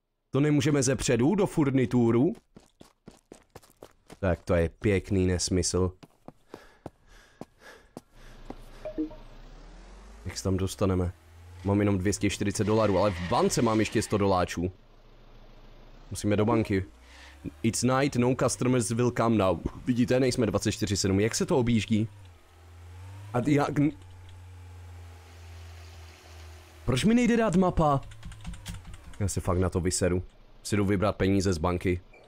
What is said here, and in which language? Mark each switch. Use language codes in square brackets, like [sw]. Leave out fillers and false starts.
[cs] To nemůžeme ze předu do furnitúru? Tak to je pěkný nesmysl. Jak se tam dostaneme? Mám jenom 240 dolarů, ale v bance mám ještě 100 doláčů. Musíme do banky. [en] It's night, no customers will come now. [cs] Vidíte, nejsme 24/7, jak se to objíždí? A jak... Proč mi nejde dát mapa? Já se fakt na to vyseru. Si jdu vybrat peníze z banky.